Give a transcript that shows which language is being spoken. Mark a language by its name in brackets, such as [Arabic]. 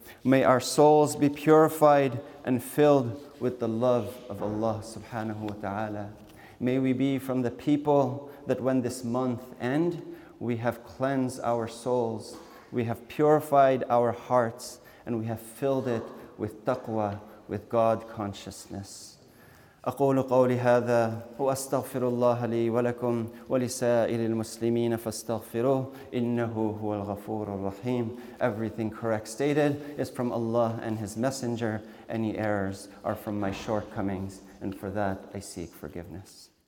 [English] May our souls be purified and filled with the love of Allah subhanahu wa ta'ala. May we be from the people that when this month end, we have cleansed our souls, we have purified our hearts, and we have filled it with taqwa, with God consciousness. [Arabic] أقول قولي هذا وأستغفر الله لي ولكم ولسائر المسلمين فاستغفروه إنه هو الغفور الرحيم. [English] Everything correct stated is from Allah and His Messenger. Any errors are from my shortcomings, and for that I seek forgiveness.